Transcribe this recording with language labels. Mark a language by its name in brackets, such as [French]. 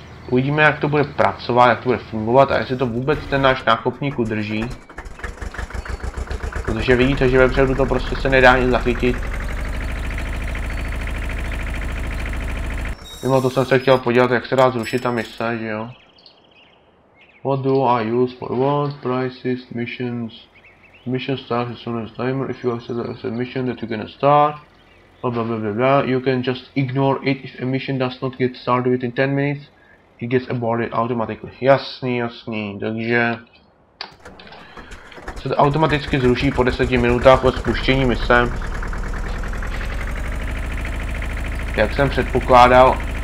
[Czech] Uvidíme, jak to bude pracovat, jak to bude fungovat a jestli to vůbec ten náš nákupník udrží. Protože vidíte, že vepředu to prostě se nedá nic zachytit. Mimo to jsem se chtěl podívat, jak se dá zrušit ta mise, že jo. [English] What do I use for what prices, missions? Mission starts as soon as timer. If you accept a mission that you can start, blah blah blah blah. You can just ignore it. If a mission does not get started within 10 minutes, it gets aborted automatically. [Czech] Jasný, jasný. Takže se to automaticky zruší po 10 minutách po spuštění mise. Jak jsem předpokládal.